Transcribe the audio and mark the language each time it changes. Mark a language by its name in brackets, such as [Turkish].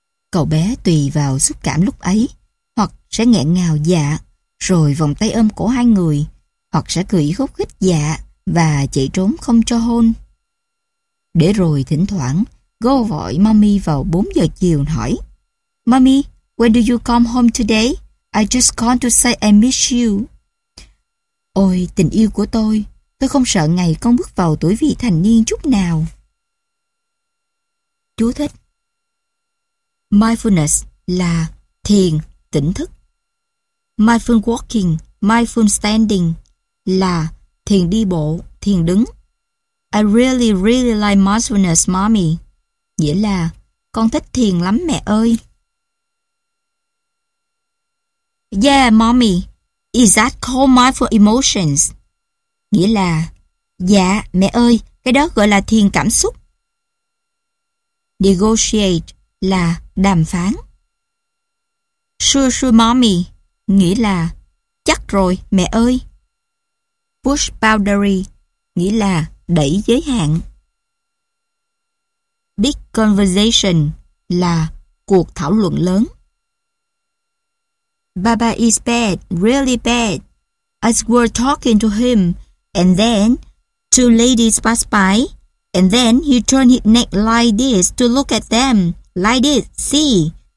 [Vietnamese] Cậu bé tùy vào xúc cảm lúc ấy, hoặc sẽ nghẹn ngào dạ, rồi vòng tay ôm cổ hai người, hoặc sẽ cười khúc khích dạ và chạy trốn không cho hôn. Để rồi thỉnh thoảng, gấu vội mommy vào 4 giờ chiều hỏi: [English] "Mommy, when do you come home today? I just called to say I miss you." [Vietnamese] "Ôi tình yêu của tôi không sợ ngày con bước vào tuổi vị thành niên chút nào." Chú thích: Mindfulness là thiền, tỉnh thức. Mindful walking, mindful standing là thiền đi bộ, thiền đứng. [English] "I really, really like mindfulness, mommy." [Vietnamese] Nghĩa là: "Con thích thiền lắm mẹ ơi." [English] "Yeah, mommy, is that called mindful emotions?" [Vietnamese] Nghĩa là: "Dạ, mẹ ơi, cái đó gọi là thiền cảm xúc." Negotiate là đàm phán. [English] "Sure, sure, mommy." [Vietnamese] Nghĩa là: "Chắc rồi, mẹ ơi." Push boundary, nghĩa là đẩy giới hạn. Big conversation là cuộc thảo luận lớn. [English] "Baba is bad, really bad. I was talking to him, and then two ladies passed by, and then he turned his neck like this to look at them, like this, see?